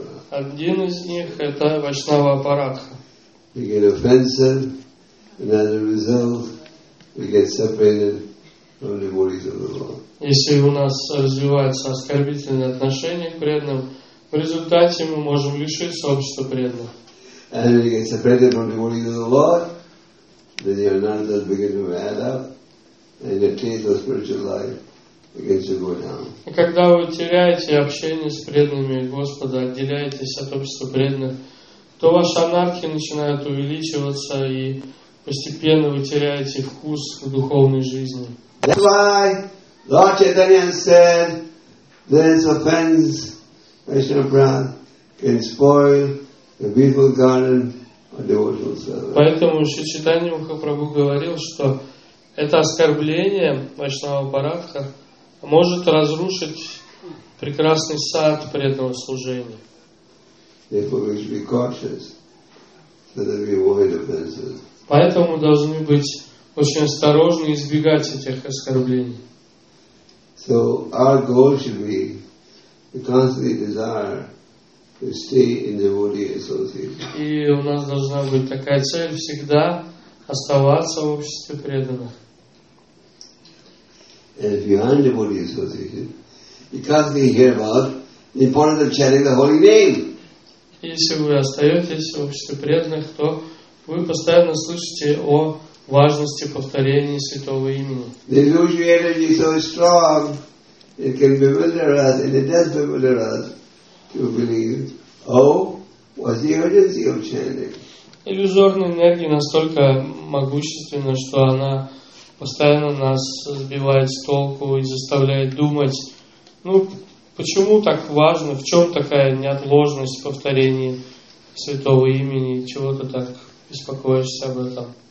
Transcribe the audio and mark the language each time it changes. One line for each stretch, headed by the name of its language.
Russian: Один из них – это Вайшнава Апарадха.
English: We get offensive, and as a result, we get separated from the devotees of the Lord.
Russian: Если у нас развиваются оскорбительные отношения к преданным, в результате мы можем лишиться общества преданных.
English: And if you get separated from the devotees of the Lord, then your nandas begin to add up, and your taste of spiritual life.
Russian: И когда вы теряете общение с преданными Господа, отделяетесь от общества преданных, то ваши анархии начинают увеличиваться, и постепенно вы теряете вкус к духовной жизни.
English: That's why Lord Chaitanya said, this offense, Vaishnava, can spoil the beautiful garden of devotional service.
Russian: Поэтому Шри Чайтанья Махапрабху говорил, что это оскорбление Вайшнава Парагха может разрушить прекрасный сад преданного служения. Поэтому мы должны быть очень осторожны и избегать этих оскорблений.
English: So our goal should be the constant desire to stay in devotee association.
Russian: И у нас должна быть такая цель всегда оставаться в обществе преданных.
English: And if you are in devotee association, you constantly hear about the importance of chanting the holy name.
Russian: Если вы остаетесь в обществе преданных, то вы постоянно слышите о важности повторения святого имени.
English: The illusory energy is so strong, it can bewilder us, and it does bewilder us to believe, oh, what's the urgency of chanting?
Russian: Иллюзорная энергия настолько могущественна, что она постоянно нас сбивает с толку и заставляет думать, ну, почему так важно, в чем такая неотложность повторения святого имени, чего ты так беспокоишься об этом?